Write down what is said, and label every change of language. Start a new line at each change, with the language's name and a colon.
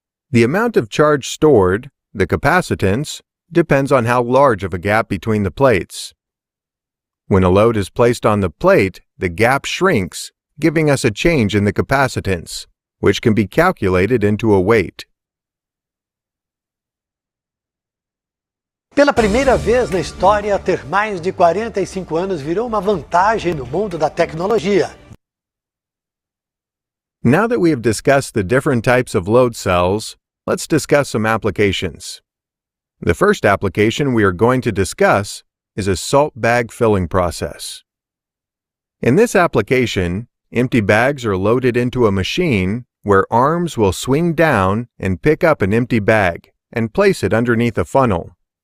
English: The amount of charge stored, the capacitance, depends on how large of a gap between the plates. When a load is placed on the plate, the gap shrinks, giving us a change in the capacitance, which can be calculated into a weight.
Portuguese: Pela primeira vez na história, ter mais de 45 anos virou uma vantagem no mundo da tecnologia.
English: Now that we have discussed the different types of load cells, let's discuss some applications. The first application we are going to discuss is a salt bag filling process. In this application, empty bags are loaded into a machine where arms will swing down and pick up an empty bag and place it underneath a funnel.